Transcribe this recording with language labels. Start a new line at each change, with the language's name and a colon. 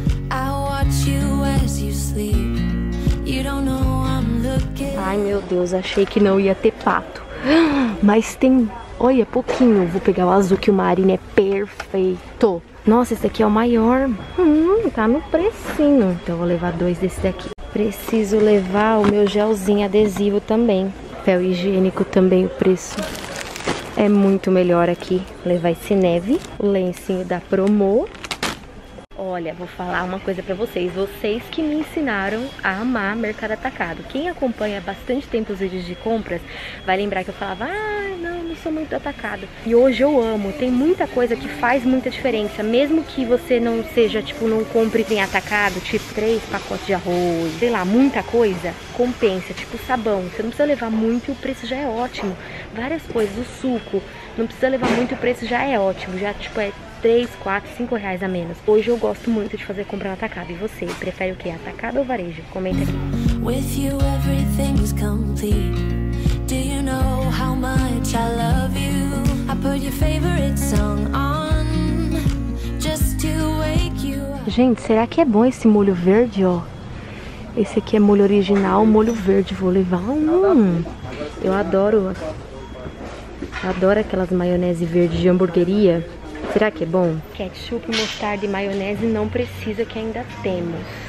English: I watch you as you sleep. You don't know I'm looking.
Portuguese: Ai, meu Deus, achei que não ia ter pato. Mas tem... Olha, pouquinho. Vou pegar o azul, que o marinho é perfeito. Nossa, esse aqui é o maior. Tá no precinho. Então, vou levar dois desse daqui. Preciso levar o meu gelzinho adesivo também. Papel higiênico também, o preço é muito melhor aqui. Vou levar esse neve. O lencinho da Promo. Olha, vou falar uma coisa pra vocês. Vocês que me ensinaram a amar mercado atacado. Quem acompanha há bastante tempo os vídeos de compras vai lembrar que eu falava, ah, não sou muito atacado. E hoje eu amo. Tem muita coisa que faz muita diferença. Mesmo que você não seja, tipo, não compre bem atacado, tipo, 3 pacotes de arroz, sei lá, muita coisa, compensa. Tipo, sabão. Você não precisa levar muito e o preço já é ótimo. Várias coisas. O suco. Não precisa levar muito e o preço já é ótimo. Já, tipo, é... 3, 4, 5 reais a menos. Hoje eu gosto muito de fazer compra no atacado. E você, prefere o quê? Atacado ou varejo? Comenta aqui.
English: With you, everything is complete. Do you know how much I love you? I put your favorite song on just to wake you up.
Portuguese: Gente, será que é bom esse molho verde, ó? Esse aqui é molho original, molho verde. Vou levar um. Eu adoro. Eu adoro aquelas maionese verde de hamburgueria. Será que é bom? Ketchup, mostarda e maionese não precisa, que ainda temos.